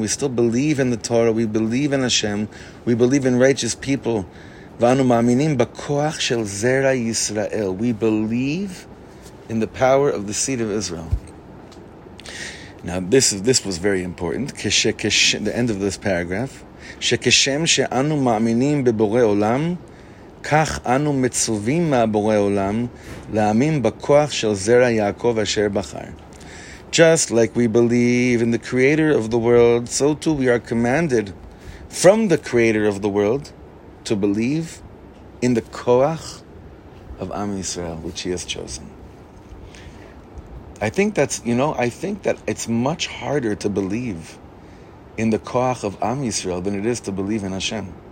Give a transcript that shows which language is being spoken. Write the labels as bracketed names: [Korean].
[English] We still believe in the Torah, we believe in Hashem, we believe in righteous people. [Hebrew] V'anu ma'aminim b'koach shel zera Yisrael. [English] We believe in the power of the seed of Israel. Now this was very important, k'she, the end of this paragraph. [Hebrew] שכשם שאנו מאמינים בבורא עולם, כך אנו מצווים מהבורא עולם להאמין בכוח של זרע יעקב אשר בחר. [English] Just like we believe in the creator of the world, so too we are commanded from the creator of the world to believe in the koach of Am Yisrael, which he has chosen. I think that it's much harder to believe in the koach of Am Yisrael than it is to believe in Hashem.